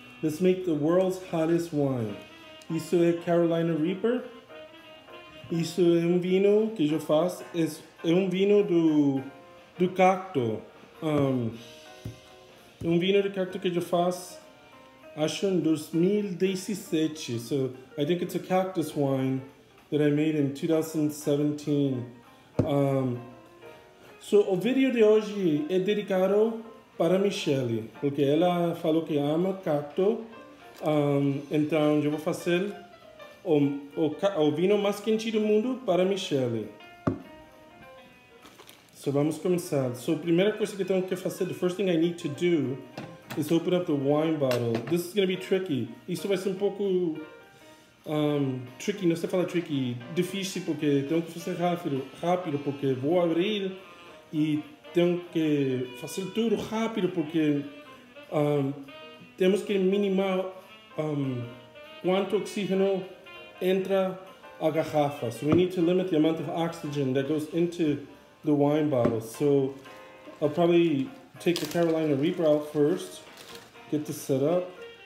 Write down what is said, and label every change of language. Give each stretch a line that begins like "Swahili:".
English: Let's make the world's hottest wine.
Portuguese: Isso é Carolina Reaper. Isso é um vinho que eu faço. É um vinho do cacto. Um vinho de cacto que eu faço, acho, em 2017.
English: So, I think it's a cactus wine that I made in 2017.
Portuguese: So, o vídeo de hoje é dedicado para Michelle, porque ela falou que ama cacto. Então, eu vou fazer o vinho mais quente do mundo para Michelle. So, vamos começar. So, a primeira coisa que eu tenho que fazer,
English: the first thing I need to do, is open up the wine bottle. This is going to be tricky.
Portuguese: Isso vai ser um pouco... tricky, não sei falar tricky, difícil, porque tenho que fazer rápido, porque vou abrir e tenho que fazer tudo rápido, porque temos que minimar quanto oxígeno entra a garrafa.
English: So we need to limit the amount of oxygen that goes into the wine bottle. So I'll probably take the Carolina Reaper out first, get this set up.